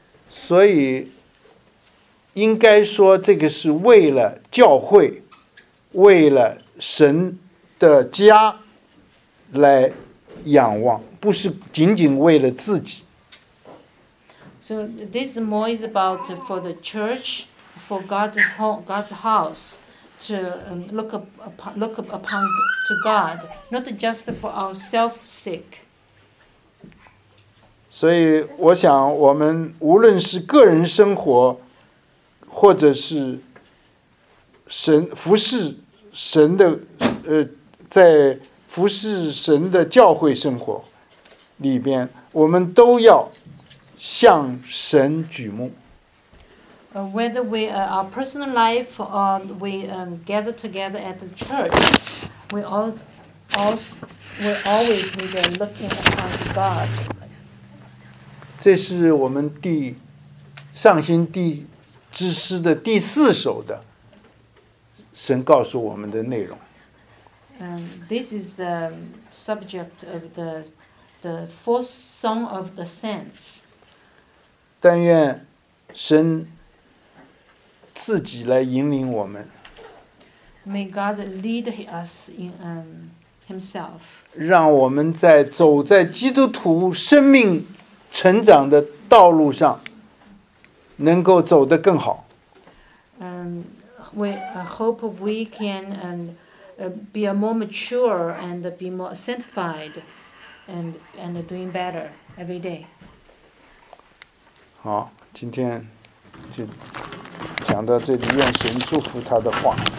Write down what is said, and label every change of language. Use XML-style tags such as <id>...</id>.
<zh>所以应该说这个是为了教会为了神的家来仰望不是仅仅为了自己</zh> <en>So this more is about for the church for God's house to look upon to God not just for ourselves sake</en> <zh>所以我想我们无论是个人生活或者是神服侍神的在服侍神的教会生活里边我们都要向神举目。</zh> <en>Whether we our personal life or we gather together at the church, we always need to look upon God.</en> <zh>这是我们第上行第之诗的第四首的神告诉我们的内容。</zh> <en>This is the subject of the fourth song of the saints.</en> <zh>但愿神自己来引领我们。</zh> <en>May God lead us himself.</en> <zh>让我们在走在基督徒生命成长的道路上能够走得更好。</zh> <en>Hope we can be a more mature and be more sanctified and doing better every day.</en> <zh>好，今天就讲到这里，愿神祝福他的话。</zh>